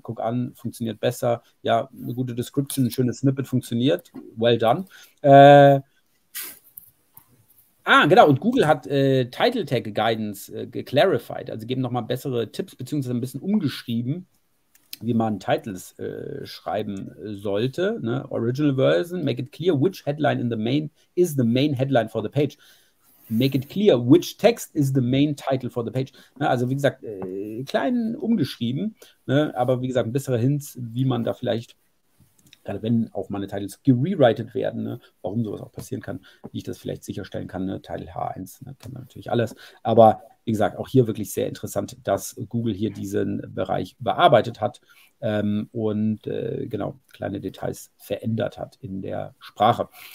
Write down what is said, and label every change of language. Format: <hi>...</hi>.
<de>Guck an, funktioniert besser. Ja, eine gute Description, ein schönes Snippet funktioniert.</de> <en>Well done.</en> <de>Genau, und Google hat Title Tag Guidance geclarified, also geben nochmal bessere Tipps, beziehungsweise ein bisschen umgeschrieben, wie man Titles schreiben sollte. Ne?</de> <en>Original Version, make it clear which headline in the main is the main headline for the page. Make it clear which text is the main title for the page.</en> <de>Ne? Also wie gesagt, klein umgeschrieben, ne? Aber wie gesagt, bessere Hints, wie man da vielleicht, gerade wenn auch meine Titles gerewritet werden, ne? Warum sowas auch passieren kann, wie ich das vielleicht sicherstellen kann. Ne? Title H1, ne? Kann man natürlich alles. Aber wie gesagt, auch hier wirklich sehr interessant, dass Google hier diesen Bereich bearbeitet hat und genau kleine Details verändert hat in der Sprache.</de>